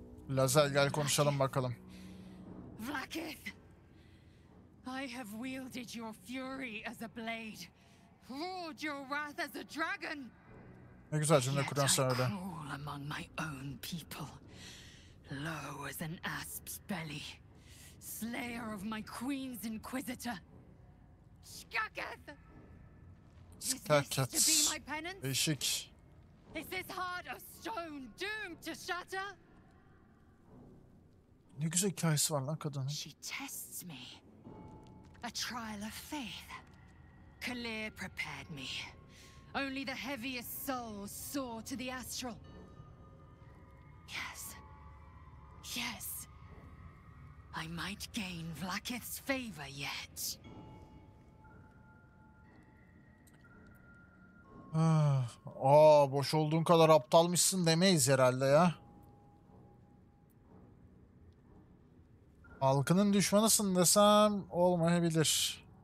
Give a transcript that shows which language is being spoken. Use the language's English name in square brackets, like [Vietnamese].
[Turkish] Lazel gel konuşalım bakalım. [English] Vlakith! I have wielded your fury as a blade, roared your wrath as a dragon. [Turkish] Ne güzel cümle kuran sen öyle. [English] Yet I crawl among my own people, low as an asp's belly, slayer of my queen's inquisitor. Skaketh! Is this to be my penance? Eşik. Is this heart of stone doomed to shatter? [Turkish] Ne güzel hikayesi var lan kadının. [English] She tests me. A trial of faith. Kalir prepared me. Only the heaviest soul soar to the astral. Yes. Yes. I might gain Vlakith's favor yet. [Turkish] Aa, boş olduğun kadar aptalmışsın demeyiz herhalde ya. Halkının düşmanısın desem olmayabilir.